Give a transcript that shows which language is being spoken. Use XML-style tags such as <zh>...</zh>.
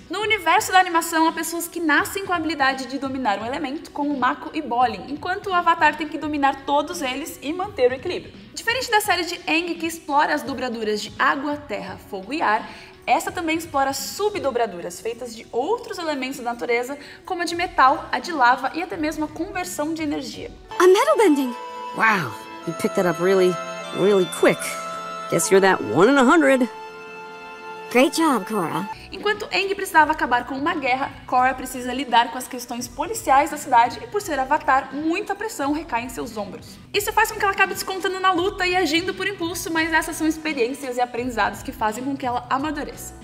<pt>No universo da animação, há pessoas que nascem com a habilidade de dominar um elemento, como Mako e Bolin, enquanto o Avatar tem que dominar todos eles e manter o equilíbrio. Diferente da série de Aang, que explora as dobraduras de água, terra, fogo e ar, essa também explora subdobraduras feitas de outros elementos da natureza, como a de metal, a de lava e até mesmo a conversão de energia.</pt> <en>A metal bending. Wow, you picked that up really, really quick. Guess you're that one in 100. Great job, Korra.</en> <pt>Enquanto Aang precisava acabar com uma guerra, Korra precisa lidar com as questões policiais da cidade e por ser Avatar, muita pressão recai em seus ombros. Isso faz com que ela acabe descontando na luta e agindo por impulso, mas essas são experiências e aprendizados que fazem com que ela amadureça.</pt>